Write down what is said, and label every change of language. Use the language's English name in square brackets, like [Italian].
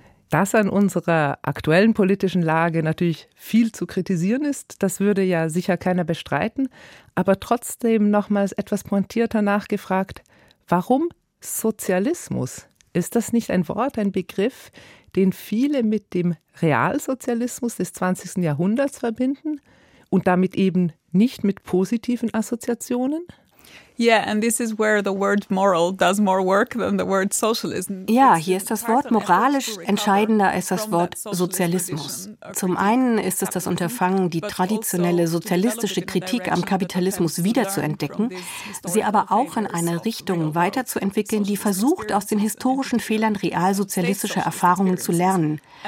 [German] Dass an unserer aktuellen politischen Lage natürlich viel zu kritisieren ist, das würde ja sicher keiner bestreiten, aber trotzdem nochmals etwas pointierter nachgefragt, warum Sozialismus? Ist das nicht ein Wort, ein Begriff, den viele mit dem Realsozialismus des 20. Jahrhunderts verbinden und damit eben nicht mit positiven Assoziationen? [English] Yeah, and this is where the word moral does more work than the word socialism. [German] Ja, hier ist das Wort moralisch entscheidender als das Wort Sozialismus. Zum einen ist es das Unterfangen, die traditionelle sozialistische Kritik am Kapitalismus wiederzuentdecken, sie aber auch in eine Richtung weiterzuentwickeln, die versucht, aus den historischen Fehlern realsozialistischer Erfahrungen zu lernen.